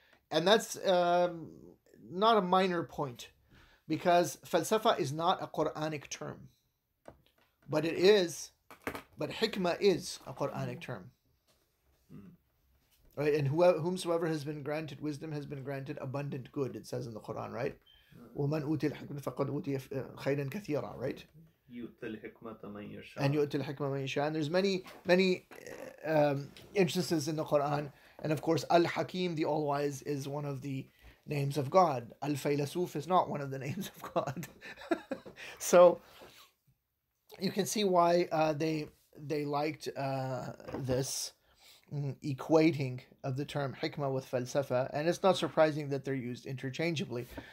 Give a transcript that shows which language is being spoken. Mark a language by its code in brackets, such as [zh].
[en] And that's not a minor point, because falsafa is not a Quranic term. But it is, but hikmah is a Quranic term. Right, and whomsoever has been granted wisdom has been granted abundant good, it says in the Quran, right? [ar] وَمَنْ أُوتِي الْحِكْمَةَ فَقَدْ أُوتِيَ خَيْرًا كَثِيرًا, [en] right? [ar] يُؤْتِي الْحِكْمَةَ مَنْ يَشَاءُ. [en] And [ar] يُؤْتِي الْحِكْمَةَ مَنْ يَشَاءُ. [en] And there's many, many instances in the Quran. And of course, Al-Hakim, the All-Wise, is one of the names of God. Al-Faylasuf is not one of the names of God. So, you can see why they liked this equating of the term hikmah with falsafa, and it's not surprising that they're used interchangeably.